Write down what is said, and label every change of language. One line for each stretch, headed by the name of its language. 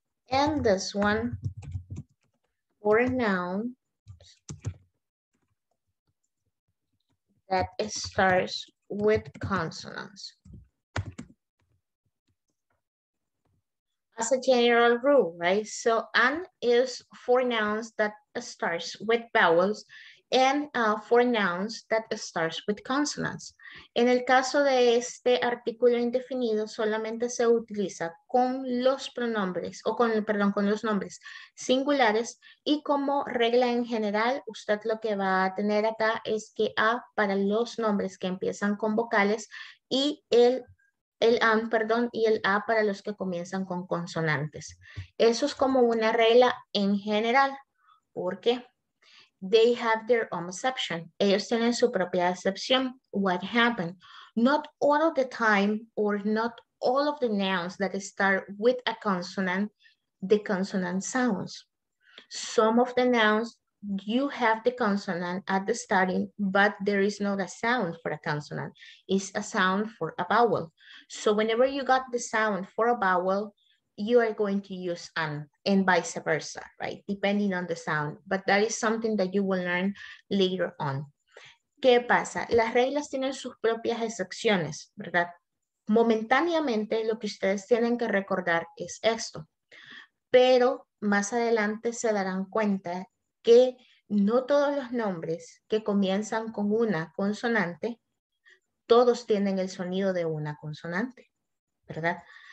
English: And this one, for nouns that starts with consonants. As a general rule, right? So an is for nouns that starts with vowels and for nouns that starts with consonants.
Spanish: En el caso de este artículo indefinido, solamente se utiliza con los pronombres, o con, perdón, con los nombres singulares, y como regla en general, usted lo que va a tener acá es que A para los nombres que empiezan con vocales, y el A para los que comienzan con consonantes. Eso es como una regla en general, porque
English: they have their own exception.
Spanish: Ellos tienen su propia excepción.
English: What happened? Not all of the time or not all of the nouns that start with a consonant, the consonant sounds. Some of the nouns, you have the consonant at the starting, but there is not a sound for a consonant. It's a sound for a vowel. So whenever you got the sound for a vowel, you are going to use an and vice versa, right? Depending on the sound, but that is something that you will learn later on.
Spanish: ¿Qué pasa? Las reglas tienen sus propias excepciones, ¿verdad? Momentáneamente lo que ustedes tienen que recordar es esto, pero más adelante se darán cuenta que no todos los nombres que comienzan con una consonante, todos tienen el sonido de una consonante, ¿verdad?